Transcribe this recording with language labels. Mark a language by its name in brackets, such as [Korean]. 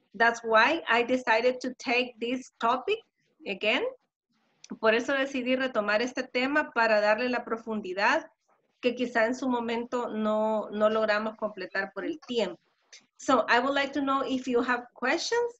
[English] That's why I decided to take this topic again. [Spanish] Por eso decidí retomar este tema para darle la profundidad que quizá en su momento no logramos completar por el tiempo. [English] So, I would like to know if you have questions.